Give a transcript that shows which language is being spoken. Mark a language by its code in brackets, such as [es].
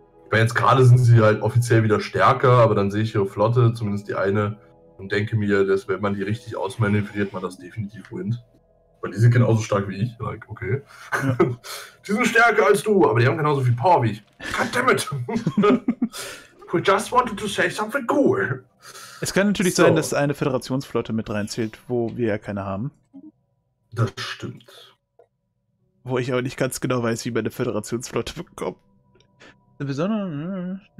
[de] Weil jetzt gerade sind sie halt offiziell wieder stärker, aber dann sehe ich ihre Flotte, zumindest die eine, und denke mir, dass wenn man die richtig ausmanövriert, man das definitiv winnt. Weil die sind genauso stark wie ich. [en] Like, okay. [de] Ja. Die sind stärker als du, aber die haben genauso viel Power wie ich. [en] Goddammit! We just wanted to say something cool. [de] Es kann natürlich sein, dass eine Föderationsflotte mit reinzählt, wo wir ja keine haben. Das stimmt. Wo ich aber nicht ganz genau weiß, wie meine Föderationsflotte bekommt. Besonders.